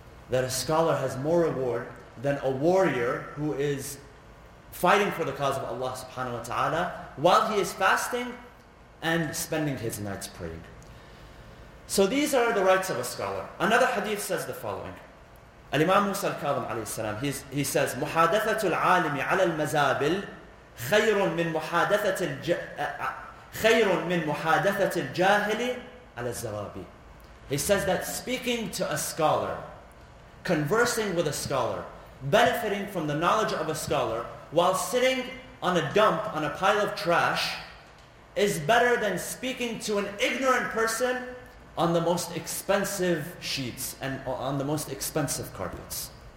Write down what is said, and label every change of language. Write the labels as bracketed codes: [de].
[en] That a scholar has more reward than a warrior who is fighting for the cause of Allah subhanahu wa ta'ala while he is fasting and spending his nights praying. So these are the rights of a scholar. Another hadith says the following. Al-Imam Musa al-Kadhim alayhi salam, he says, [ar] مُحَادَثَةُ الْعَالِمِ عَلَى الْمَزَابِلِ خَيْرٌ مِنْ مُحَادَثَةِ خَيْرٌ مِنْ مُحَادَثَةِ الْجَاهِلِ عَلَى الزَّرَابِ. [en] He says that speaking to a scholar, conversing with a scholar, benefiting from the knowledge of a scholar, while sitting on a dump, on a pile of trash, is better than speaking to an ignorant person on the most expensive sheets and on the most expensive carpets.